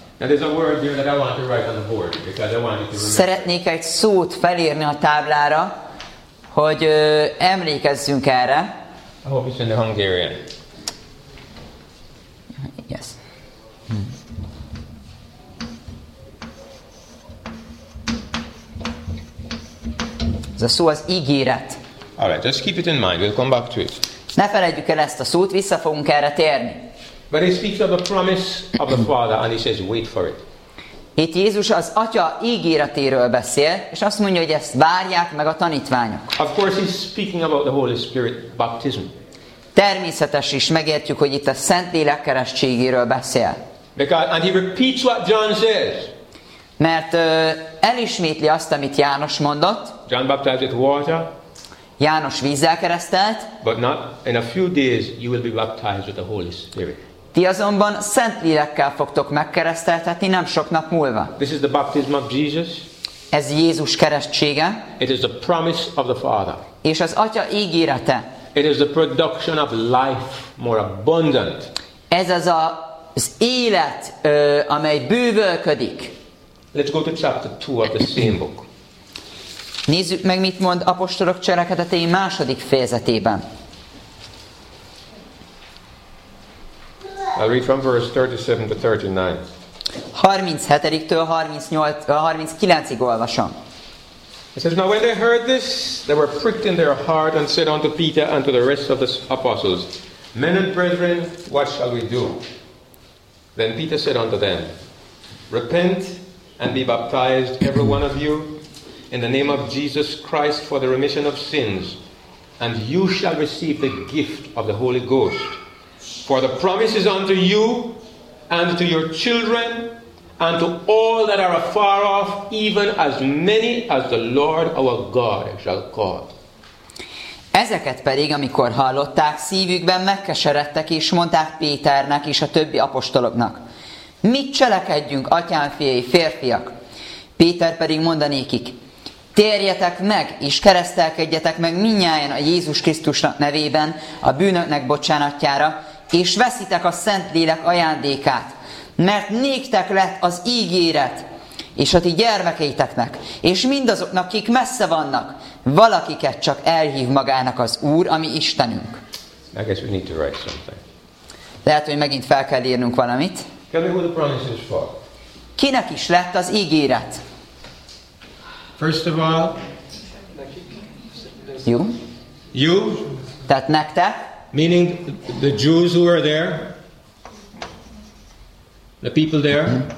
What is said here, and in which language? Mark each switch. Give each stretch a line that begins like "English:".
English: Now there's a word here that I want to write on the board because I want you to remember.
Hungarian: Szeretnék egy szót felírni a táblára, hogy emlékezzünk erre.
English: I hope it's in the Hungarian. Yes.
Hungarian: Ez a szó az ígéret.
English: All right, just keep it in mind. We'll come back to it.
Hungarian: Ne feledjük el ezt a szót, vissza fogunk erre térni.
English: But he speaks of the promise of the Father, and he says, wait for it.
Hungarian: Itt Jézus az Atya ígéretéről beszél, és azt mondja, hogy ezt várják meg a tanítványok.
English: Of course he's speaking about the Holy Spirit baptism.
Hungarian: Természetes is megértjük, hogy itt a Szentlélek keresztségéről beszél.
English: Because, and he repeats what John says.
Hungarian: Mert elismétli azt, amit János mondott.
English: John baptized with water.
Hungarian: János vízzel keresztelt.
English: But not in a few days you will be baptized with the Holy Spirit.
Hungarian: Ti azonban Szentlélekkel fogtok megkereszteltetni nem sok nap múlva.
English: This is the baptism of Jesus.
Hungarian: Ez Jézus keresztsége.
English: It is the promise of the Father.
Hungarian: És az Atya ígérete.
English: It is the production of life more abundant.
Hungarian: Ez az az élet, amely bővölködik.
English: Let's go to chapter 2 of the same book.
Hungarian: Nézzük meg, mit mond Apostolok cselekedetei második fejezetében.
English: I'll read from verse 37 to 39.
Hungarian: 37-től 39-ig olvasom.
English: It says, now when they heard this, they were pricked in their heart and said unto Peter and to the rest of the apostles, men and brethren, what shall we do? Then Peter said unto them, repent and be baptized every one of you in the name of Jesus Christ for the remission of sins, and you shall receive the gift of the Holy Ghost. For the promise is unto you and to your children and to all that are afar off, even as many as the Lord our God shall call.
Hungarian: Ezeket pedig, amikor hallották, szívükben megkeseredtek, és mondták Péternek és a többi apostoloknak, mit cselekedjünk, atyám fiai, férfiak? Péter pedig mondanékik, térjetek meg, és keresztelkedjetek meg mindnyájan a Jézus Krisztusnak nevében a bűnöknek bocsánatjára, és veszitek a Szentlélek ajándékát, mert néktek lett az ígéret, és a ti gyermekeiteknek, és mindazoknak, akik messze vannak, valakiket csak elhív magának az Úr, ami Istenünk.
English: I guess we need to write something.
Hungarian: Lehet, hogy megint fel kell írnunk valamit.
English: Tell me who the promise is for.
Hungarian: Kinek is lett az ígéret?
English: First of all, you. You.
Hungarian: Tehát nektek.
English: Meaning the Jews who were there, the people there.